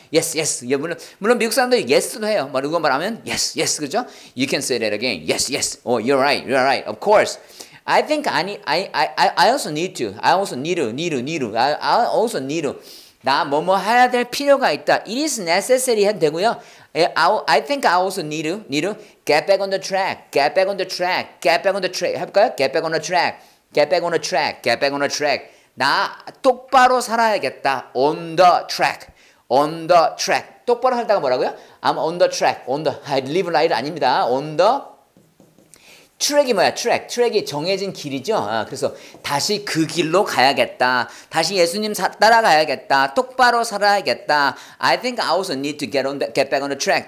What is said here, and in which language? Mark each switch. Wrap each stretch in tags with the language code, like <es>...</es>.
<en>Yes, yes.</en> <ko>예, 물론 미국 사람들 yes도 해요.</ko> <en>뭐 누가 말하면 yes, yes, 그죠? You can say that again. Yes, yes. Oh, you're right, you're right. Of course. I think I also need to.</en> <ko>나 뭐뭐 해야 될 필요가 있다.</ko> <en>It is necessary 해도 되고요. I think I also need to get back on the track. Get back on the track. Get back on the track. 해볼까요? Get back on the track. Get back on the track. Get back on the track.</en> <ko>나 똑바로 살아야겠다. On the track.</ko> <en>On the track.</en> <ko>똑바로 살다가 뭐라고요?</ko> <en>I'm on the track. On the, I live right</en> <ko>아닙니다.</ko> <en>On the track이 뭐야? track.</en> <ko>track이 정해진 길이죠. 아, 그래서 다시 그 길로 가야겠다. 다시 예수님 따라가야겠다. 똑바로 살아야겠다.</ko> <en>I think I also need to get back on the track.</en>